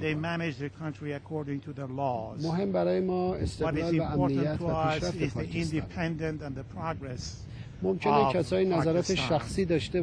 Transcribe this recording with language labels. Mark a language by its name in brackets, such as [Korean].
[English] And they manage their country according to their laws. [Persian] مهم برای ما استقلال و امنیت و پیشرفت پاکستان. [English] What is important to us is the independence and the progress. [Persian] ممکنه کسایی نظرات شخصی داشته